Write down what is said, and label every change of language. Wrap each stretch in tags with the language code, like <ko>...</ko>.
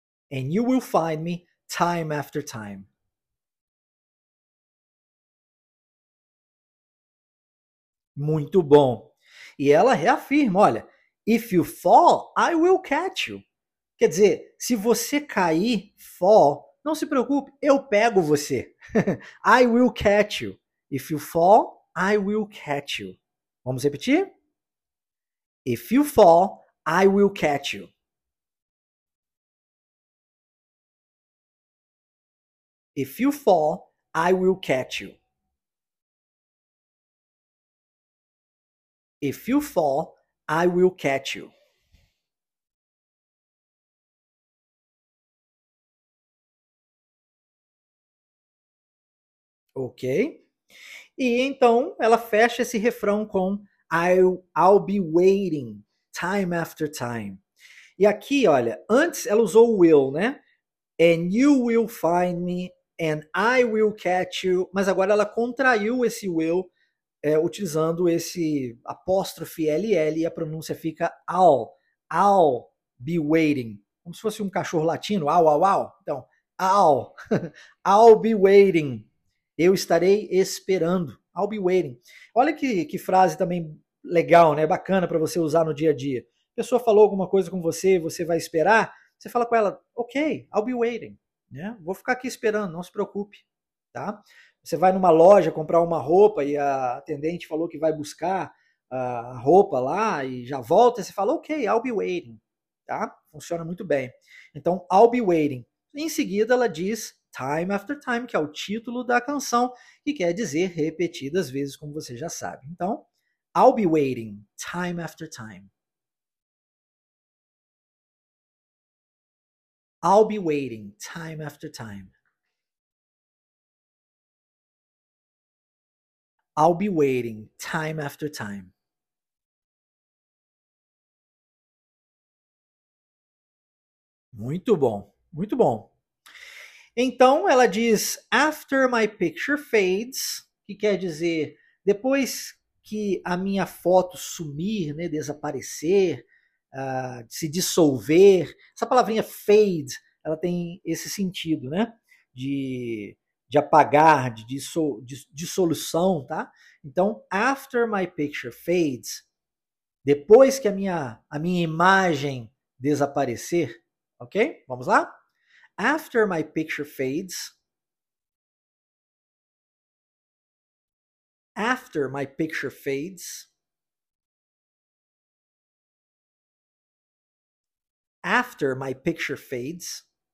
<en>And you will find me time after time.</en> <pt>Muito bom. E ela reafirma, olha,</pt> <en>if you fall, I will catch you.</en> <pt>Quer dizer, se você cair, fall, não se preocupe, eu pego você.</pt> <en>I will catch you. If you fall, I will catch you.</en> <pt>Vamos repetir?</pt> <en>If you fall, I will catch you. If you fall, I will catch you. If you fall, I will catch you.</en> <pt>Ok. E então ela fecha esse refrão com</pt> <en>I'll be waiting time after time.</en> <pt>E aqui, olha, antes ela usou will, né?</pt> <en>And you will find me and I will catch you.</en> <pt>Mas agora ela contraiu esse will utilizando esse apóstrofe LL e a pronúncia fica</pt> <en>I'll be waiting.</en> <pt>Como se fosse um cachorro latino, au, au, au. Então,</pt> <en>I'll be waiting.</en> <pt>Eu estarei esperando.</pt> <en>I'll be waiting.</en> <pt>Olha que frase também legal, né? Bacana para você usar no dia a dia. A pessoa falou alguma coisa com você, você vai esperar, você fala com ela,</pt> <en>ok, I'll be waiting.</en> <pt>Né? Vou ficar aqui esperando, não se preocupe. Tá? Você vai numa loja comprar uma roupa e a atendente falou que vai buscar a roupa lá e já volta, você fala,</pt> <en>ok, I'll be waiting.</en> <pt>Tá? Funciona muito bem. Então,</pt> <en>I'll be waiting.</en> <pt>Em seguida, ela diz, time after time, que é o título da canção, que quer dizer repetidas vezes, como você já sabe.</pt> <en>Então, I'll be waiting, time after time. I'll be waiting, time after time. I'll be waiting time after time.</en> <pt>Muito bom, muito bom. Então, ela diz,</pt> <en>after my picture fades,</en> <pt>que quer dizer, depois que a minha foto sumir, né, desaparecer, se dissolver, essa palavrinha fade, ela tem esse sentido, né, de de apagar, de dissolução, tá? Então,</pt> <en>after my picture fades,</en> <pt>depois que a minha imagem desaparecer, ok? Vamos lá?</pt> <en>After my picture fades, after my picture fades, after my picture fades.</en>